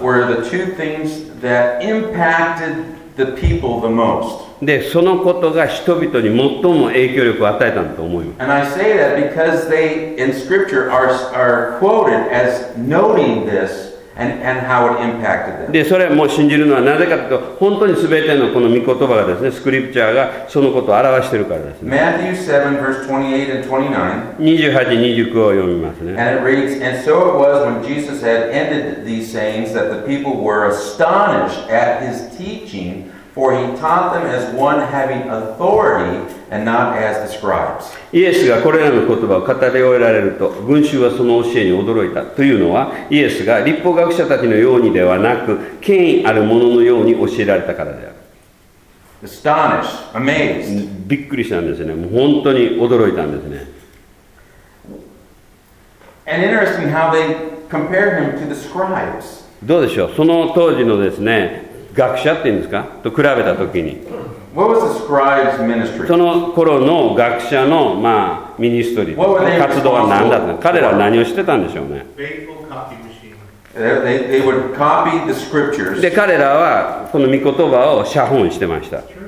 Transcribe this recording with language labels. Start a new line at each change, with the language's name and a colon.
English: were the two things that impacted the people the most.
Japanese: でそのことが人々に最も影響力を与えたんだと思います。
English: And I say that because they in scripture are quoted as noting this and how it impacted them.
Japanese: でそれも信じるのはなぜかというと本当に全てのこの御言葉がですねスクリプチャーがそのことを表しているからですね。
English: Matthew 7 verse 28 and 29. 28、29
Japanese: を読みますね。
English: And it reads, and so it was when Jesus had ended these sayings that the people were astonished at his teaching. For he taught them as one having authority and not as the scribes.
Japanese: イエスがこれらの言葉を語り終えられると群衆はその教えに驚いたというのはイエスが律法学者たちのようにではなく権威ある者のように教えられたからである。
English: Astonished, amazed.
Japanese: びっくりしたんですね。もう本当に驚いたんですね。
English: And interesting how they compared him to the scribes.
Japanese: どうでしょう。その当時のですね学者っていうんですかと比べたときに
English: What was the scribe's ministry?
Japanese: その頃の学者の、まあ、ミニストリー活動は何だったの彼らは何をしてたんでしょうね
English: they would copy the scriptures.
Japanese: で彼らはこの御言葉を写本してました